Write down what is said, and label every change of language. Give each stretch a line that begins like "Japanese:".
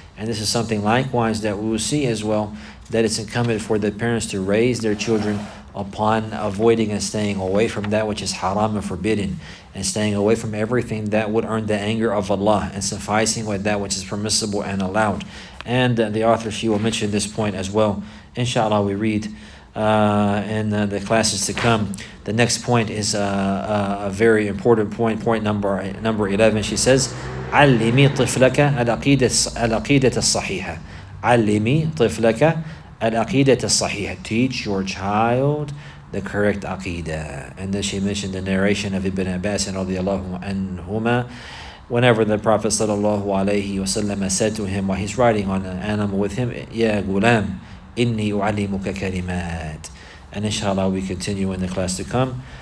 English: And this is something likewise that we will see as well, that it's incumbent for the parents to raise their children upon avoiding and staying away from that which is haram and forbidden, and staying away from everything that would earn the anger of Allah, and sufficing with that which is permissible and allowed. And the author, she will mention this point as well. Inshallah, we read in the classes to come. The next point is a very important point. Point number 11. She says,
Arabic: "علمي طفلك العقيدة الصحيحة." علمي طفلك al-aqidah as-sahiha.
English: Teach your child the correct aqidah. And then she mentioned the narration of Ibn Abbas and radiyallahu anhuma. Whenever the Prophet sallallahu alayhi wa sallam said to him while he's riding on an animal with him,
Arabic: Ya gulam, inni u'allimuka kalimat.
English: And inshallah we continue in the class to come.